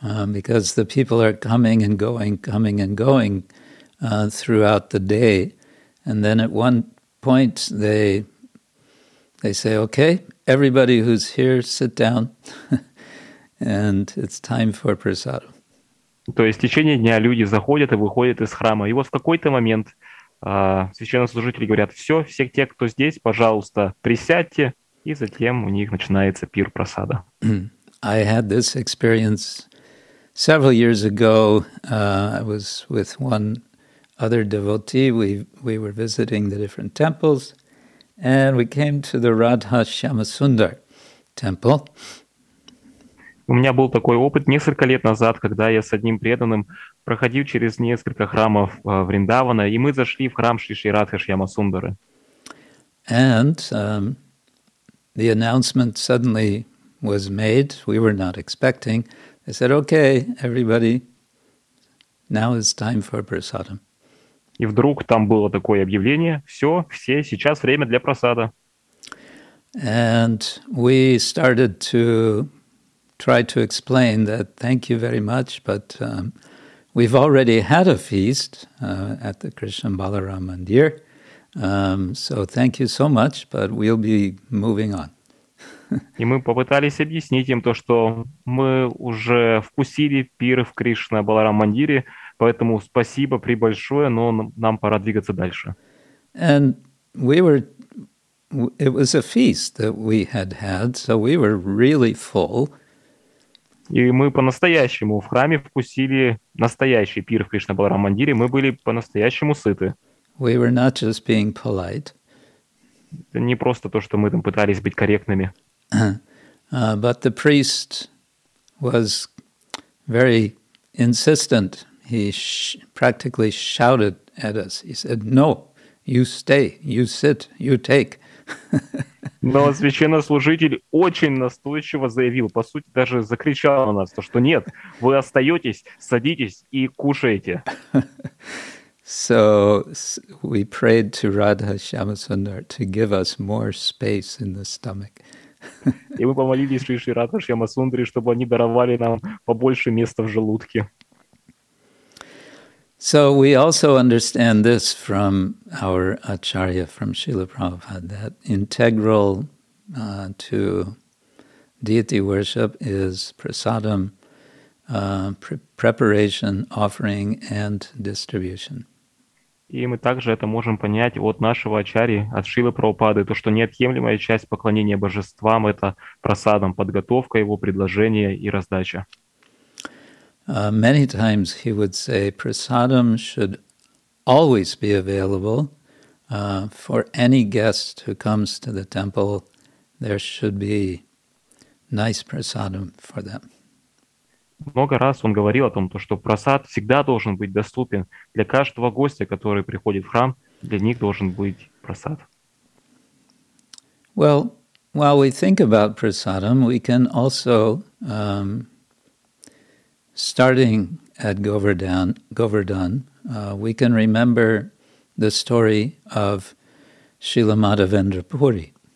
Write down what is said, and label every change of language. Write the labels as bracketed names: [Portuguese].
[English] Because the people are coming and going throughout the day. And then at one point they say, okay, everybody who's here, sit down. And it's time for prasad. [Russian] То есть в течение дня люди заходят и выходят из храма. И вот в какой-то момент священнослужители говорят, все, все те, кто здесь, пожалуйста, присядьте. И затем у них начинается пир прасада. [English] I had this experience several years ago. I was with one other devotee. We were visiting the different temples. And we came to the Radha Shyamasundar temple. [Russian] У меня был такой опыт несколько лет назад, когда я с одним преданным проходил через несколько храмов Вриндавана, и мы зашли в храм Шри Шри Радха Шьямасундары. [English] And the announcement suddenly was made. We were not expecting. They said, "Okay, everybody, now is time for prasadam." [Russian] И вдруг там было такое объявление: "Все, все, сейчас время для прасада." [English] And we started to try to explain that thank you very much, but we've already had a feast at the Krishna Balaram Mandir. So thank you so much, but we'll be moving on. [Russian] И мы попытались объяснить им то, что мы уже вкусили пир в Кришна Баларам Мандире, поэтому спасибо прибольшое, но нам пора двигаться дальше. [English] And we were, it was a feast that we had had, so we were really full. [Russian] И мы по-настоящему в храме вкусили настоящий пир в Кришна Баларам Мандире. Мы были по-настоящему сыты. [English] We were not just being polite. [Russian] Это не просто то, что мы там пытались быть корректными. [English] But the priest was very insistent. He practically shouted at us. He said, "No, you stay, you sit, you take." [Russian] Но священнослужитель очень настойчиво заявил, по сути, даже закричал на нас, что нет, вы остаетесь, садитесь и кушаете. [English] So we prayed to Radha Shyamasundar to give us more space in the stomach. [Russian] И мы помолились Шри Шри Радха Шьямасундре, чтобы они даровали нам побольше места в желудке. [English] So we also understand this from our acharya, from Srila Prabhupada, that integral to deity worship is prasadam, preparation, offering, and distribution. [Russian] И мы также это можем понять от нашего ачарьи, от Шрилы Прабхупады, то, что неотъемлемая часть поклонения божествам — это прасадам, подготовка его, предложение и раздача. [English] Many times he would say, prasadam should always be available for any guest who comes to the temple. There should be nice prasadam for them. [Russian] Много раз он говорил о том, что прасад всегда должен быть доступен для каждого гостя, который приходит в храм, для них должен быть прасад. [English] Well, while we think about prasadam, we can also, starting at Govardhan, we can remember the story of Srila Madhavendra Puri.